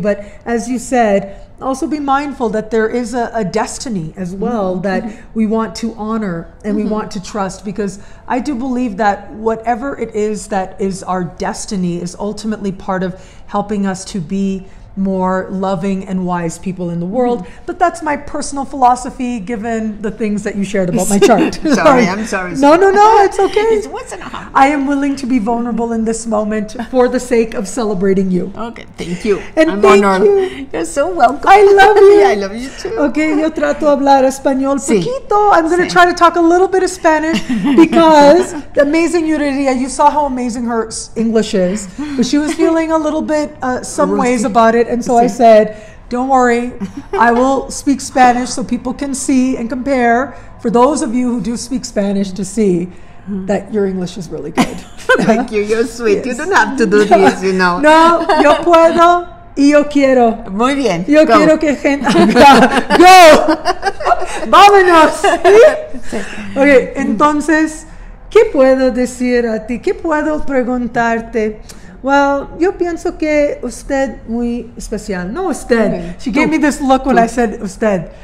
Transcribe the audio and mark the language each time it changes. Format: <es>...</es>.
<en>But as you said, also be mindful that there is a destiny as well that we want to honor and we want to trust, because I do believe that whatever it is that is our destiny is ultimately part of helping us to be more loving and wise people in the world. But that's my personal philosophy, given the things that you shared about my chart. sorry. No, it's okay. It wasn't hard. I am willing to be vulnerable in this moment for the sake of celebrating you. Okay, thank you. And I'm thank honored. You. You're so welcome. I love you. Yeah, I love you too.</en> <es>Okay, yo trato hablar español poquito.</es> <en>I'm going to try to talk a little bit of Spanish, because the amazing Yuriria, you saw how amazing her English is, but she was feeling a little bit some ways about it. And so I said, don't worry, I will speak Spanish so people can see and compare, for those of you who do speak Spanish, to see that your English is really good. Thank you. You're sweet. Yes. You don't have to do this, you know.</en> <es>No, yo puedo y yo quiero. Muy bien. Yo</es> <en>go.</en> <es>Quiero que gente... Go! Vámonos! ¿Sí? Okay, entonces, ¿qué puedo decir a ti? ¿Qué puedo preguntarte? Well, yo pienso que usted muy especial. No, usted. Okay.</es> <en>She gave me this look when I said usted.</en>